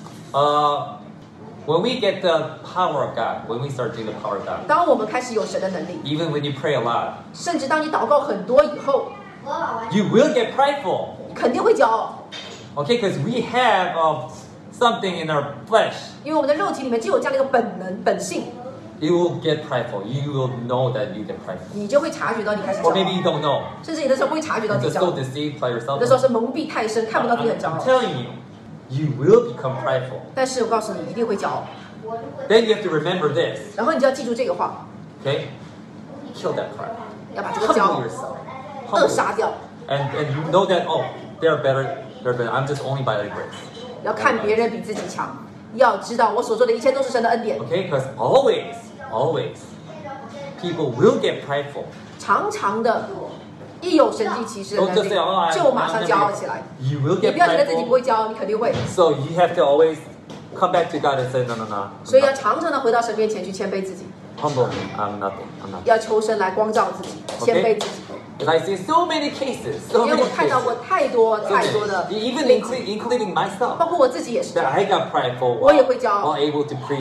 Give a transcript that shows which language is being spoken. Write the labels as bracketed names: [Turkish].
[English] When we get the power of God, when we start doing the power of God, [Chinese] 当我们开始有神的能力 [English] even when you pray a lot, [Chinese] 甚至当你祷告很多以后 [English] you will get prideful. [Chinese] 肯定会骄傲 [English] Okay, because we have something in our flesh. [Chinese] 因为我们的肉体里面就有这样的一个本能本性 [English] You will get prideful. You will know that you get prideful. [Chinese] 你就会察觉到你开始骄傲 [English] Or maybe you don't know. [Chinese] 甚至你的时候不会察觉到你骄傲 [English] Just so deceived by yourself. [Chinese] 那时候是蒙蔽太深，看不到你很骄傲 [English] I'm telling you. You will become prideful. [Chinese] 但是我告诉你，一定会骄傲。 [English] Then you have to remember this. [Chinese] 然后你就要记住这个话。 [English] Okay, kill that pride. [Chinese] 要把这个骄傲扼杀掉。 [English] And you know that oh, they're better. I'm just only by their grace. [Chinese] 要看别人比自己强，要知道我所做的一切都是神的恩典。 [English] Okay, because always, people will get prideful. [Chinese] 常常的。一有神迹奇事的能力 [English] say,、oh, [Chinese] 就马上骄傲起来 [English] you will get [Chinese] 你不要觉得自己不会骄傲你肯定会 [English] so you have to always come back to God and say no [Chinese] 所以要常常的回到神面前去谦卑自己 [English] humble me, I'm nothing [Chinese] 要求神来光照自己、 [English] okay? [Chinese] 谦卑自己 [English] because I see so many cases [Chinese] 因为我看到过太多的 [English] even including myself [Chinese] 包括我自己也是 [English] that I got prideful [Chinese] 我也会骄傲 [English] while able to preach